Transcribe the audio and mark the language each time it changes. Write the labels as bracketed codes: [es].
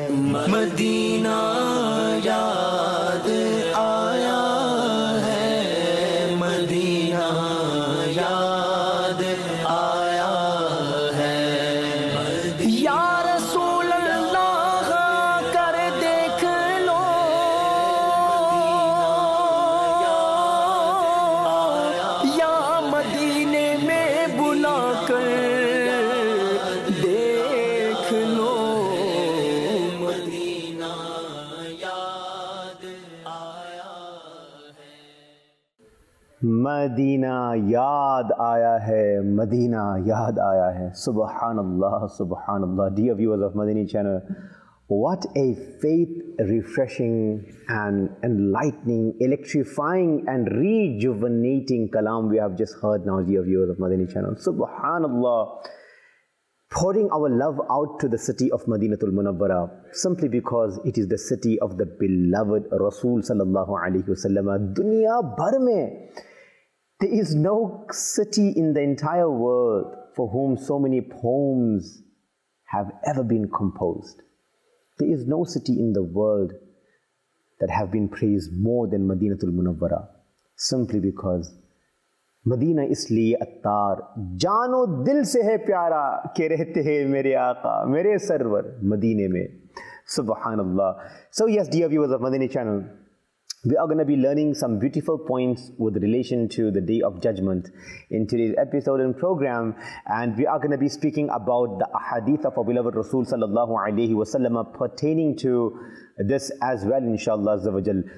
[ur] مدینہ یاد آیا ہے، مدینہ یاد آیا ہے، یا رسول اللہ کر دیکھ لو آیا، یا مدینے میں بلا کر دیکھ لو، مدینہ یاد آیا ہے، مدینہ یاد آیا ہے، سبحان اللہ سبحان اللہ. [en] Dear viewers of Madini channel, what a faith refreshing and enlightening, electrifying and rejuvenating kalam we have just heard now, dear viewers of Madini channel. [ar] سبحان اللہ. [en] Pouring our love out to the city of Madinatul Munawwara simply because it is the city of the beloved Rasul sallallahu alaihi wasallam. [ur] Duniya bhar mein [en] there is no city in the entire world for whom so many poems have ever been composed. There is no city in the world that have been praised more than Madinatul Munawwara, simply because [ur] مدینہ اس لیے عطار، جان و دل سے ہے پیارا کہ رہتے ہیں میرے آقا میرے سرور مدینے میں، [en] سبحان اللہ. So yes, dear viewers of Madini channel, we are going to be learning some beautiful points with relation to the Day of Judgment in today's episode and program. And we are going to be speaking about the ahadith of our beloved Rasul sallallahu alayhi wa sallam pertaining to this as well, inshallah azza wa jal.